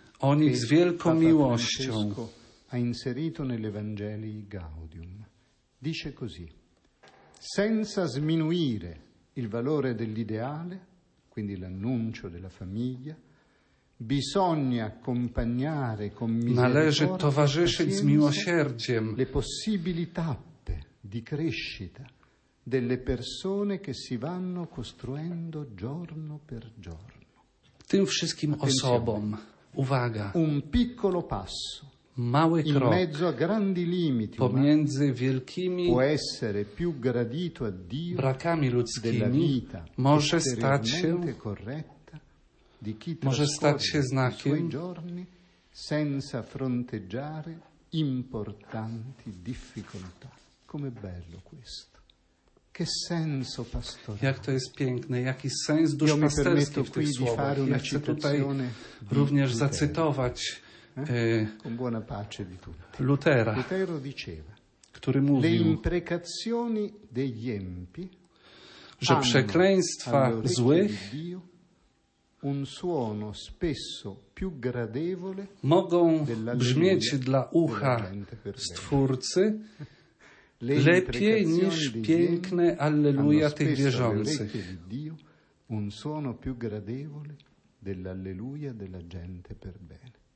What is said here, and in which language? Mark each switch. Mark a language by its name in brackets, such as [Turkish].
[Polish] o nich z wielką miłością. [Italian] Ha inserito nell'Evangelii Gaudium. Dice così: senza sminuire il valore dell'ideale, quindi l'annuncio della famiglia, bisogna accompagnare con misericordia. [Polish] Należy towarzyszyć z miłosierdziem. [Italian] Le possibili tappe di crescita delle persone che si vanno costruendo giorno per giorno. [Polish] Tym wszystkim osobom, uwaga. [Italian] Un piccolo passo. [Polish] Mały krok [Italian] in mezzo a grandi limiti [Polish] pomiędzy wielkimi [Italian] può essere più gradito a Dio [Polish] brakami ludzkimi [Italian] della vita [Polish] może stać się [Italian] corretta di chi [Polish] może stać się znakiem [Italian] i suoi giorni senza fronteggiare importanti difficoltà. Come bello questo, che senso pastorale, [Polish] jak to jest piękne, jaki sens duszpasterski w tych słowach. Ja chcę tutaj również zacytować [Italian] con buona pace di tutti. [Polish] Lutera, [Italian] Lutero diceva, [Polish] który mówił, [Italian] le imprecazioni degli empi, [Polish] że przekleństwa złych [Italian] un suono spesso più gradevole [Polish] mogą brzmieć dla ucha Stwórcy lepiej niż piękne alleluja tych wierzących. [Italian] Un suono più gradevole dell'alleluja della gente per bene.